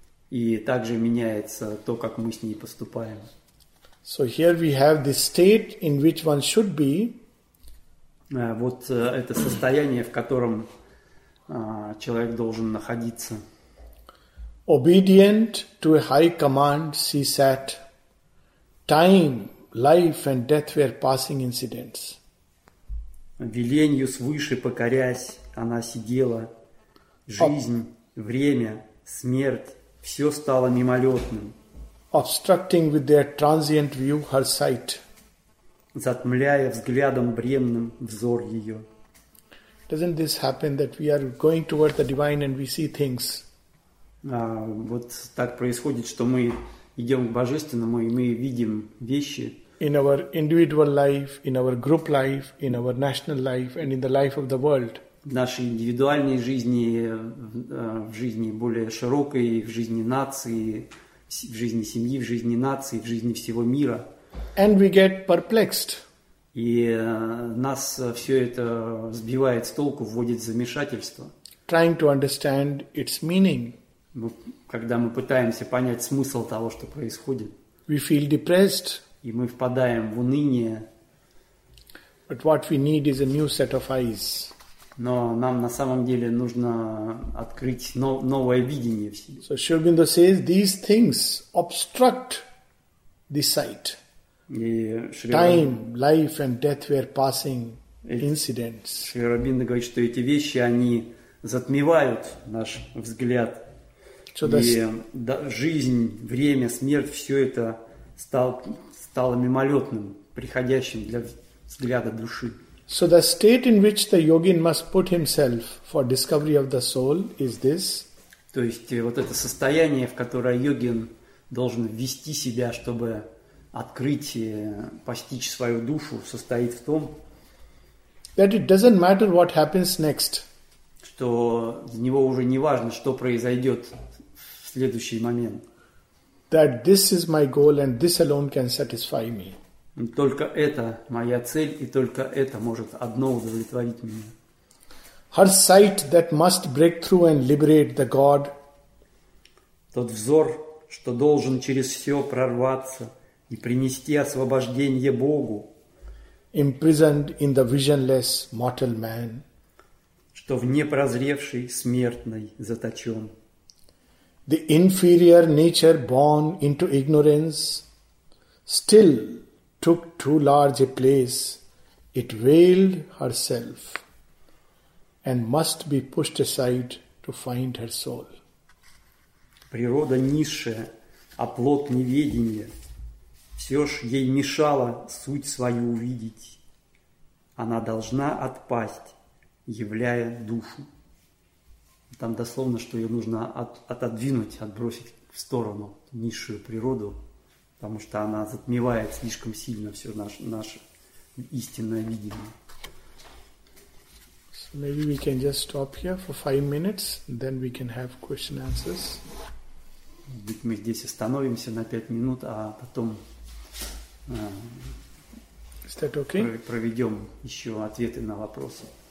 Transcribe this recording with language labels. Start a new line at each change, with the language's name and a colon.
Russian: И также меняется то, как мы с ней поступаем.
English: So here we have the state in which one should be.
Russian: Вот это состояние, в котором человек должен находиться.
English: Obedient to a high command, CSAT, time, life and death were passing incidents.
Russian: Веленью свыше покорясь, она сидела. Жизнь, время, смерть, все стало мимолетным.
English: Obstructing with their transient view her sight.
Russian: Затмляя взглядом бременным взор ее.
English: Doesn't this happen that we are going towards the divine and we see things?
Russian: Вот так происходит, что мы идем к Божественному и мы видим вещи.
English: In our individual life, in our group life, in our national life, and in the life of the world.
Russian: В нашей индивидуальной жизни, в жизни более широкой, в жизни нации, в жизни семьи, в жизни нации, в жизни всего мира.
English: And we get perplexed.
Russian: И нас все это сбивает с толку, вводит в замешательство.
English: Trying to understand its meaning.
Russian: Когда мы пытаемся понять смысл того, что происходит.
English: We feel depressed.
Russian: И мы впадаем в уныние.
English: But what we need is a new set of eyes.
Russian: Но нам на самом деле нужно открыть новое видение в себе.
English: So Sri Aurobindo says these things obstruct the sight. Time, life and death were passing incidents.
Russian: Шри Аурабинда говорит, что эти вещи, они затмевают наш взгляд. So жизнь, время, смерть, все это стало мимолетным, приходящим для взгляда души.
English: So the state in which the yogin must put himself for discovery of the soul is this.
Russian: То есть вот это состояние, в которое йогин должен ввести себя, чтобы открыть, постичь свою душу, состоит в том,
English: that it doesn't matter what happens next.
Russian: Что для него уже не важно, что произойдет в следующий момент.
English: That this is my goal and this alone can satisfy me.
Russian: Только это моя цель, и только это может одно удовлетворить меня.
English: Her sight that must break through and liberate the God.
Russian: Тот взор, что должен через все прорваться и принести освобождение Богу.
English: Imprisoned in the visionless mortal man.
Russian: Что в непрозревшей смертной заточен.
English: The inferior nature born into ignorance still took too large a place, it veiled herself and must be pushed aside to find her soul.
Russian: Природа низшая, оплот неведения, все ж ей мешало суть свою увидеть. Она должна отпасть, являя душу. Там дословно, что ее нужно отодвинуть, отбросить в сторону низшую природу. Потому что она затмевает слишком сильно все наше истинное видение.
English: So maybe we can just stop here for 5 minutes, then we can have question answers.
Russian: Ведь мы здесь остановимся на 5 минут, а потом
English: is that okay?
Russian: Проведем еще ответы на вопросы.